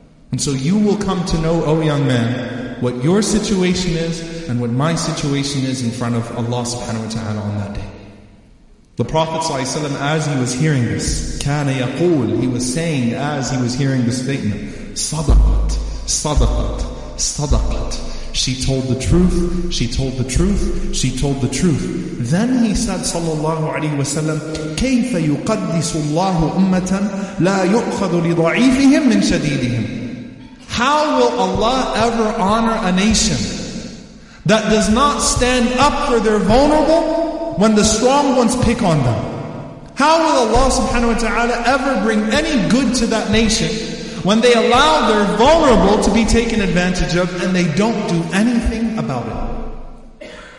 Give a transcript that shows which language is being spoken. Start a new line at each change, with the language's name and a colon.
English: And so you will come to know, O young man, what your situation is and what my situation is in front of Allah subhanahu wa ta'ala on that day. The Prophet sallallahu alayhi wa sallam, as he was hearing this,
Arabic: كان يقول,
English: he was saying as he was hearing this statement,
Arabic: صدقت, صدقت, صدقت.
English: She told the truth, she told the truth, she told the truth. Then he said,
Arabic: sallallahu alayhi wa sallam, كيف يقدس الله أمة لا يؤخذ لضعيفهم من شديدهم.
English: How will Allah ever honor a nation that does not stand up for their vulnerable when the strong ones pick on them? How will Allah subhanahu wa ta'ala ever bring any good to that nation when they allow their vulnerable to be taken advantage of and they don't do anything about it?